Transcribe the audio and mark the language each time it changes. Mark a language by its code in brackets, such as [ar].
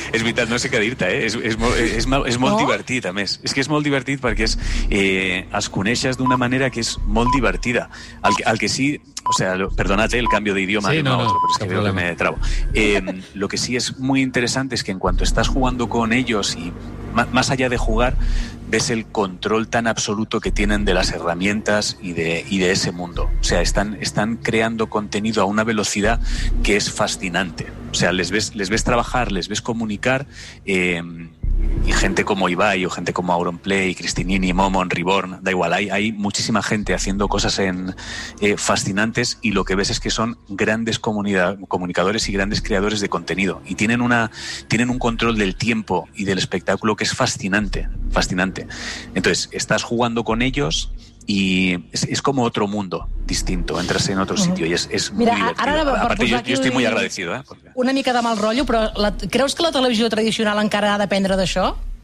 [ca] veritat, no sé què dir-te, és molt divertit, a més. És que és molt divertit perquè és, es coneixes d'una manera que és molt divertida. El que sí, o sea, perdonat, el canvi d'idioma, però és [es] que veo que me trabo. Lo que sí es muy interesante es que en cuanto estás jugando con ellos y más allá de jugar, ves el control tan absoluto que tienen de las herramientas y de ese mundo. O sea, están creando contenido a una velocidad que es fascinante. O sea, les ves trabajar, les ves comunicar, y gente como Ibai o gente como Auronplay, Cristinini, Momon, Reborn, da igual, hay muchísima gente haciendo cosas fascinantes, y lo que ves es que son grandes comunicadores y grandes creadores de contenido, y tienen un control del tiempo y del espectáculo que es fascinante. Entonces, estás jugando con ellos y es como otro mundo distinto, entras en otro sitio y es mira, muy divertido. [ca] Ara, [es] aparte, yo estoy muy agradecido. [ca] Una mica de mal rotllo, però creus que la televisió tradicional encara ha d'aprendre d'això?